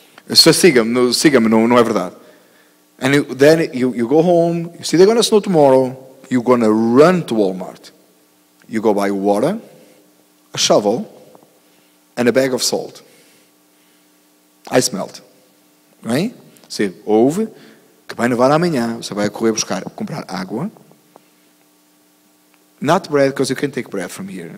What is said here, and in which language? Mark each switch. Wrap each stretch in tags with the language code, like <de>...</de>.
<pt>Só siga-me, não é verdade.</pt> <en>And then you go home, you see they're going to snow tomorrow, you're going to run to Walmart. You go buy water, a shovel, and a bag of salt. Ice melt. Right?</en> <pt>Você ouve que vai nevar amanhã, você vai correr buscar, comprar água.</pt> <en>Not bread, because you can take bread from here.</en>